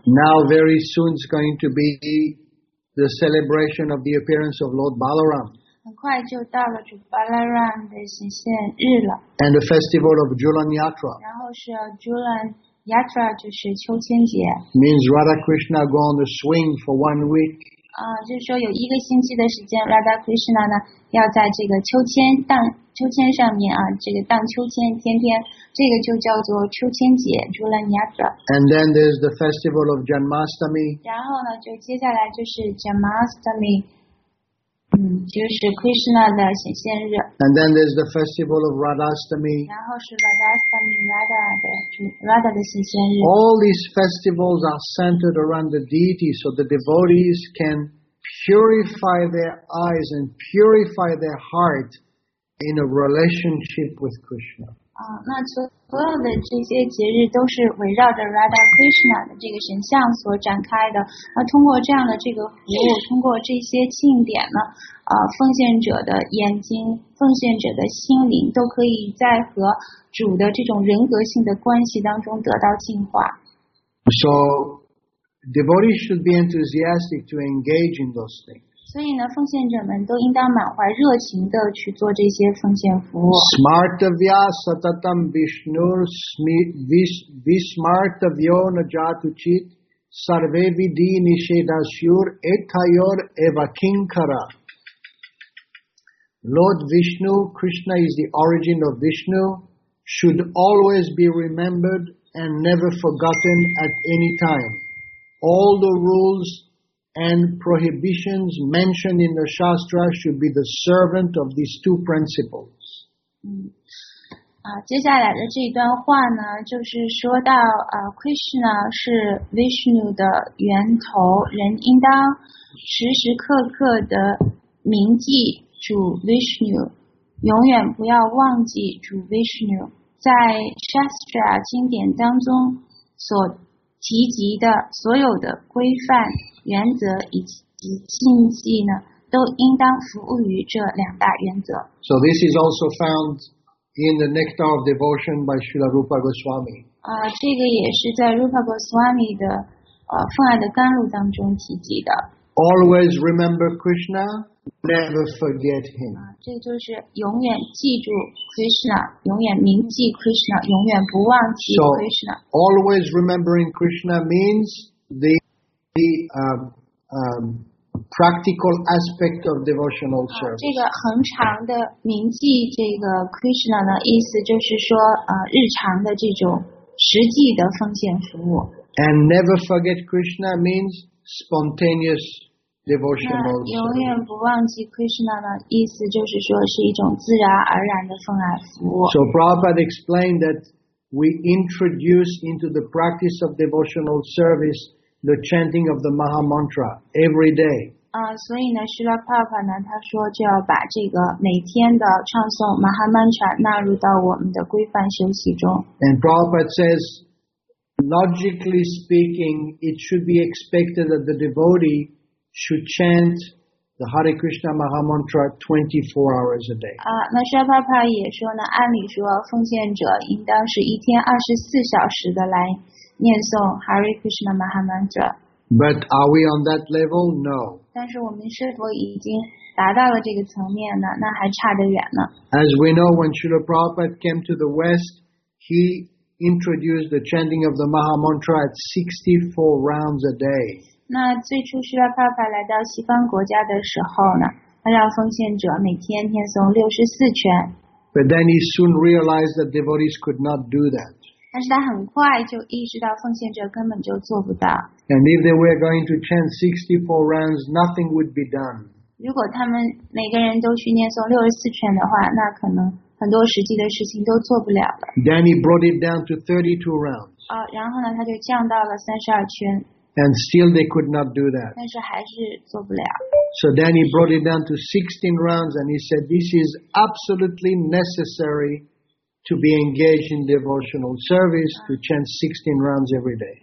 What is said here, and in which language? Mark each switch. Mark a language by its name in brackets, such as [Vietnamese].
[English] Now very soon is going to be the celebration of the appearance of Lord Balaram. [Chinese] 很快就到了主 Balaram 的显现日了。 [English] And the festival of Julan Yatra. [Chinese] 然后是 Julan。 Yatra 就是秋千节 [English] means Radha Krishna go on the swing for 1 week. [Chinese] 就是说有一个星期的时间 ，Radha Krishna 呢要在这个秋千上面这个荡秋千，天天这个就叫做秋千节 ，Julan Yatra. [English] And then there's the festival of Janmashtami. [Chinese] 然后呢，就接下来就是 Janmashtami， 就是 Krishna 的显现日。 [English] And then there's the festival of Radhashtami. [Chinese] 然后是 Radha 的显现日。 [English] All these festivals are centered around the deity, so the devotees can purify their eyes and purify their heart in a relationship with Krishna. [Chinese] 那所有的这些节日都是围绕着 Radha Krishna 的这个神像所展开的。那通过这样的这个服务，通过这些庆典呢，奉献者的眼睛、奉献者的心灵都可以在和主的这种人格性的关系当中得到净化。 [English] So, devotees should be enthusiastic to engage in those things. [Chinese] 所以呢，奉献者们都应当满怀热情的去做这些奉献服务。 [Sanskrit] Smartavya satatam Vishnur Vismartavyo najatu chit sarve vidhi nishedasyur etayor evakinkara. [English] Lord Vishnu, Krishna is the origin of Vishnu. Should always be remembered and never forgotten at any time. All the rules and prohibitions mentioned in the Shastra should be the servant of these two principles. [Chinese] 接下来的这段话呢，就是说到Krishna 是 Vishnu 的源头，人应当时时刻刻的铭记主 Vishnu， 永远不要忘记主 Vishnu。在 Shastra 经典当中所提及的所有的规范、原则以及禁忌呢，都应当服务于这两大原则。 [English] So this is also found in the Nectar of Devotion by Srila Rupa Goswami. [Chinese] 这个也是在 Rupa Goswami 的奉爱的甘露当中提及的。 [English] Always remember Krishna, never forget him. [Chinese] 这就是永远记住 Krishna, 永远铭记 Krishna, 永远不忘记 Krishna. [English] So, always remembering Krishna means the practical aspect of devotional service. [Chinese] 这个恒常的铭记这个 Krishna 呢，意思就是说，日常的这种实际的奉献服务。 [English] And never forget Krishna means spontaneous devotional service. [Chinese] 永远不忘记 Krishna 的意思就是说是一种自然而然的奉爱服务。 [English] So Prabhupada explained that we introduce into the practice of devotional service the chanting of the Maha Mantra every day. [Chinese] 所以呢，Srila Prabhupada呢，他说就要把这个每天的唱诵 Maha Mantra 纳入到我们的规范修习中。 [English] And Prabhupada says,Logically speaking, it should be expected that the devotee should chant the Hare Krishna Maha Mantra 24 hours a day. [Chinese] 那沙帕帕也说呢，按理说奉献者应当是一天24小时的来念诵 Hare Krishna Maha Mantra. [English] But are we on that level? No. [Chinese] 但是我们是否已经达到了这个层面呢？那还差得远呢。 [English] As we know, when Srila Prabhupada came to the West, he... introduced the chanting of the Maha Mantra at 64 rounds a day. [Chinese] 那最初释迦牟尼佛来到西方国家的时候呢，他让奉献者每天念诵64圈。 [English] But then he soon realized that devotees could not do that. [Chinese] 但是他很快就意识到奉献者根本就做不到。 [English] And if they were going to chant 64 rounds, nothing would be done. [Chinese] 如果他们每个人都去念诵64圈的话，那可能。很多实际的事情都做不了了。 [English] Then he brought it down to 32 rounds. [Chinese] 然后呢，他就降到了32圈。 [English] And still they could not do that. [Chinese] 但是还是做不了。 [English] So then he brought it down to 16 rounds, and he said, "This is absolutely necessary to be engaged in devotional service to chant 16 rounds every day."